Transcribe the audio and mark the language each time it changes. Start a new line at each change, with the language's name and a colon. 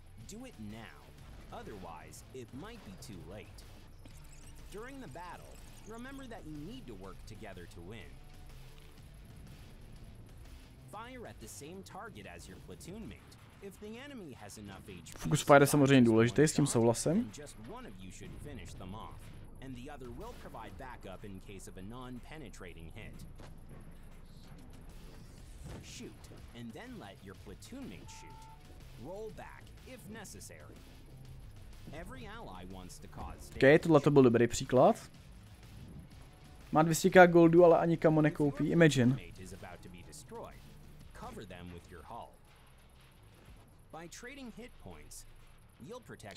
English: Do it now, otherwise it might be too late. During the battle, remember that you need to work together to win. Fire at the same target as your platoon mate. If the enemy has enough HP,
Czech: focus fire je samozřejmě důležité, s tím souhlasím.
English: Just one of you should finish them off. And the other will provide backup in case of a non-penetrating hit. Shoot, and then let your platoon mate shoot. Roll back, if necessary. Every ally wants to cause damage.
Czech: Okay, tohle to byl dobrý příklad. Má 200 goldů, ale ani kamo nekoupí.
English: Imagine. Your mate is about to be destroyed. Cover them with your hull. By trading hit points, you'll protect